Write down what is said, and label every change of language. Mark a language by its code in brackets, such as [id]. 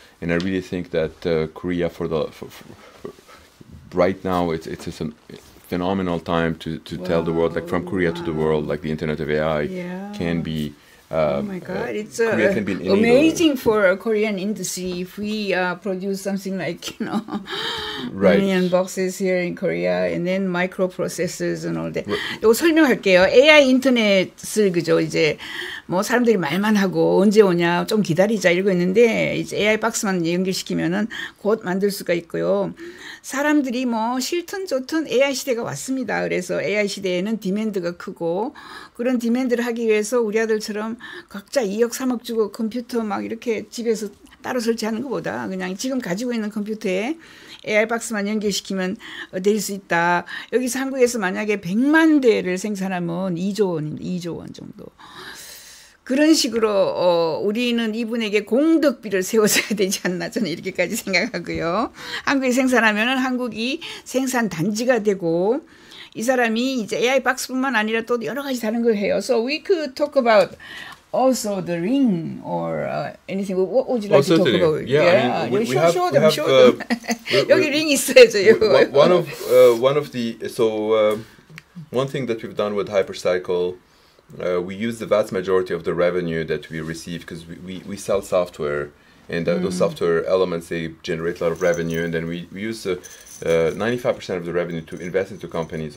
[en] And I really think that Korea, for right now, it's just an phenomenal time to tell the world, like from Korea to the world, like the internet of AI can be Korea can be an enabler. Amazing for a Korean industry if we produce something like, you know, million boxes here in Korea and then microprocessors and all that. [ko] 이거 설명할게요. AI 인터넷을 그죠? 이제 뭐 사람들이 말만 하고 언제 오냐 좀 기다리자 이러고 있는데 이제 AI 박스만 연결시키면은 곧 만들 수가 있고요. 사람들이 뭐 싫든 좋든 AI 시대가 왔습니다. 그래서 AI 시대에는 디맨드가 크고 그런 디맨드를 하기 위해서 우리 아들처럼 각자 2억, 3억 주고 컴퓨터 막 이렇게 집에서 따로 설치하는 것보다 그냥 지금 가지고 있는 컴퓨터에 AI 박스만 연결시키면 될 수 있다. 여기서 한국에서 만약에 100만 대를 생산하면 2조 원입니다. 2조 원 정도. 그런 식으로 우리는 이분에게 공덕비를 세워줘야 되지 않나 저는 이렇게까지 생각하고요. 한국이 생산하면 한국이 생산 단지가 되고 이 사람이 이제 AI 박스뿐만 아니라 또 여러 가지 다른 걸 해요. [en] So we could talk about also the ring or anything. What would you like to talk about? Yeah, yeah. I mean, we show, have, show them, we have, show them. [ko] 여기 ring 있어야죠. [en] One thing that we've done with Hypercycle, we use the vast majority of the revenue that we receive because we sell software, and those software elements, they generate a lot of revenue, and then we use 95% of the revenue to invest into companies.